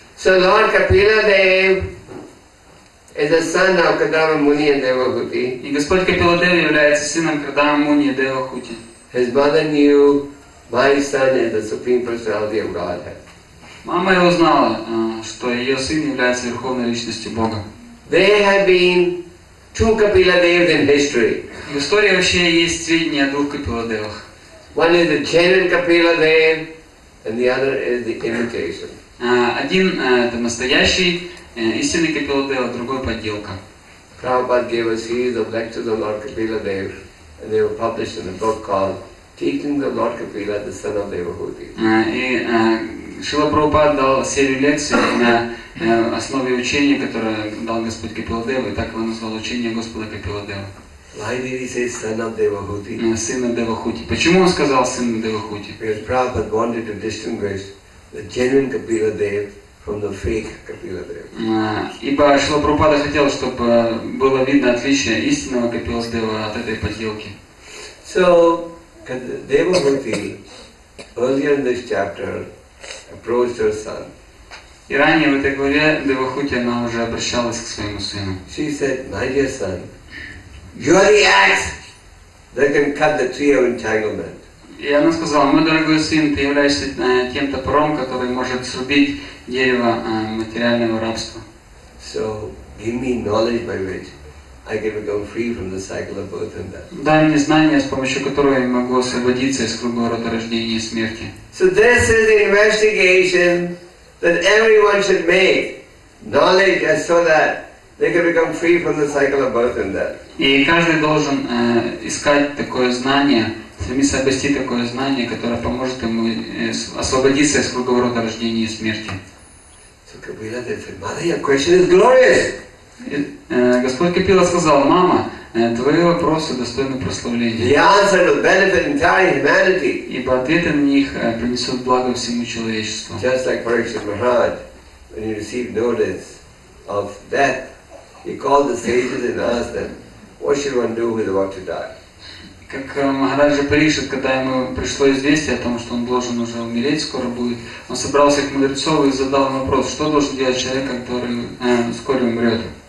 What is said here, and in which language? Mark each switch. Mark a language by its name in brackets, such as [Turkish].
[English] So Lord Kapila Dev is the son of Kadama Muni and Devahuti. [Russian] И Господь Капила Дев является сыном Кардама Муни и Девахути. [English] His mother knew my son is the Supreme Personality of Godhead. [Russian] Мама его знала, что ее сын является верховной личностью Бога. [English] There have been two Kapila Devas in history. [Russian] В истории вообще есть сведения о двух Капила Девах. [English] One is the genuine Kapila Dev, and the other is the imitation. [Russian] Один это настоящий истинный Капила Дева, другой подделка. [English] Prabhupada gave a series of lectures on Lord Kapila Dev. And they were published in a book called Teaching the Lord Kapila, the Son of Devahuti. [Russian] Шрила Прабхупада дал серию лекций на основе учения, которое дал Господь Капила Дева, и так его назвал учение Господа Капила Дева. [English] Why did he say Son of Devahuti? [Russian] Сын Девахути. Почему он сказал Сын Девахути? [English] Because Prabhupada wanted to distinguish the genuine Kapila Dev from the fake Kapila Dev. [Russian] Ибо Шрила Прабхупада хотел, чтобы было видно отличие истинного Капила Дева от этой подделки. [English] So, Devahuti, earlier in this chapter, approached her son. [Russian] И ранее в этой главе Девахути она уже обращалась к своему сыну. [English] She said, "My dear son, you're the axe that can cut the tree of entanglement." [Russian] И она сказала: "Мой дорогой сын, ты являешься тем топором, который может срубить дерево материального рабства." [English] So give me knowledge by which I can become free from the cycle of birth and death. [Russian] Дай мне знания, с помощью которого я могу освободиться из круга рода рождения и смерти. [English] So this is the investigation that everyone should make. Knowledge is so that they can become free from the cycle of birth and death. [Russian] И каждый должен искать такое знание. Стремиться обрести такое знание, которое поможет ему освободиться из круга рода рождения и смерти. [English] So Kapila said, "Mother, your question is glorious." [Russian] Господь Капила сказал: "Мама, Твои вопросы достойны прославления. [English] The answer will benefit entire humanity. [Russian] Ибо ответы на них принесут благо всему человечеству. [English] Just like Parikshit Maharaj, when he received notice of death, he called the sages and asked them, "What should one do with about to die?" [Russian] Как Махараджа Парикшит, когда ему пришло известие о том, что он должен уже умереть, скоро будет, он собрался к мудрецов и задал им вопрос, что должен делать человек, который вскоре умрет.